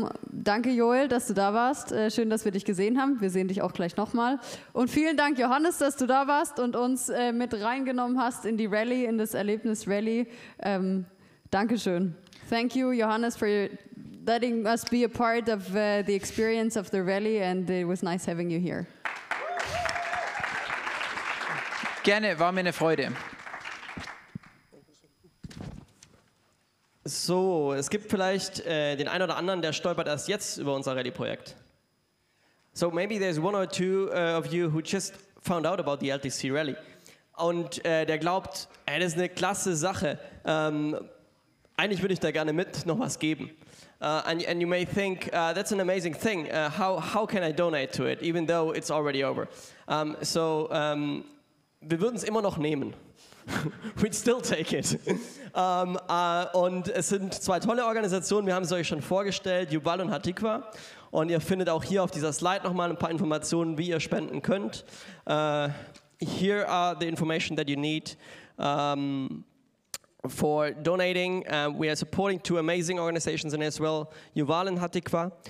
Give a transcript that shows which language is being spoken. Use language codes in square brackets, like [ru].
[de] Danke Joel, dass du da warst. Schön, dass wir dich gesehen haben. Wir sehen dich auch gleich nochmal. Und vielen Dank Johannes, dass du da warst und uns mit reingenommen hast in die Rallye, in das Erlebnis Rallye. Dankeschön. [en] Thank you Johannes for letting us be a part of the experience of the Rallye, and it was nice having you here. [de] Gerne, war mir eine Freude. So, es gibt vielleicht den einen oder anderen, der stolpert erst jetzt über unser Rallye-Projekt. [en] So, maybe there's one or two of you who just found out about the LTC Rallye. [de] Und der glaubt, hey, das ist eine klasse Sache. Eigentlich würde ich da gerne mit noch was geben. [en] And you may think, that's an amazing thing. How can I donate to it, even though it's already over? [de] Wir würden es immer noch nehmen. [en] We'd still take it. [de] Und es sind zwei tolle Organisationen, wir haben es euch schon vorgestellt, Yuval und Hatikva. Und ihr findet auch hier auf dieser Slide nochmal ein paar Informationen, wie ihr spenden könnt. [en] Here are the information that you need for donating. We are supporting two amazing organizations in Israel, Yuval and Hatikva.